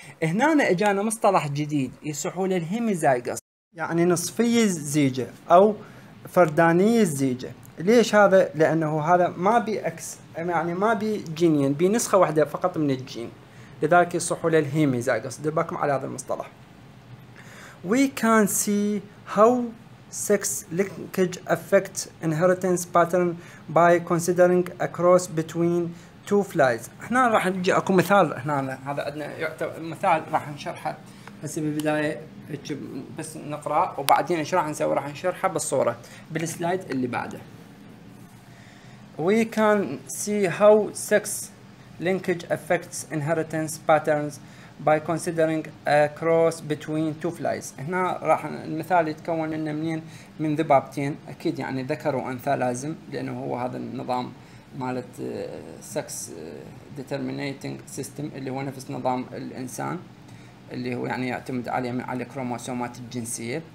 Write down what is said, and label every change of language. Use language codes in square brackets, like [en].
[ar] هنا اجانا مصطلح جديد يسحوا للهيميزايغوس، يعني نصفي الزيجة او فرداني الزيجة. ليش هذا؟ لانه هذا ما بي اكس، يعني ما بي جينين، بي نسخة واحدة فقط من الجين، لذلك يصحوا للهيميزايغوس. دير بالكم على هذا المصطلح. [en] We can see how sex linkage affects inheritance pattern by considering a cross between two flies. [ar] هنا راح نجي اكو مثال، هنا هذا عندنا يعتبر مثال راح نشرحه هسه بالبداية بس نقرأ وبعدين ايش راح نسوي؟ راح نشرحها بالصورة بالسلايد اللي بعده. [en] We can see how sex linkage affects inheritance patterns by considering a cross between two flies. [ar] هنا راح المثال يتكون لنا منين؟ من ذبابتين، اكيد يعني ذكر وانثى لازم، لانه هو هذا النظام مالت sex determinating system اللي هو نفس نظام الانسان اللي هو يعني يعتمد عليه من على الكروموسومات الجنسية.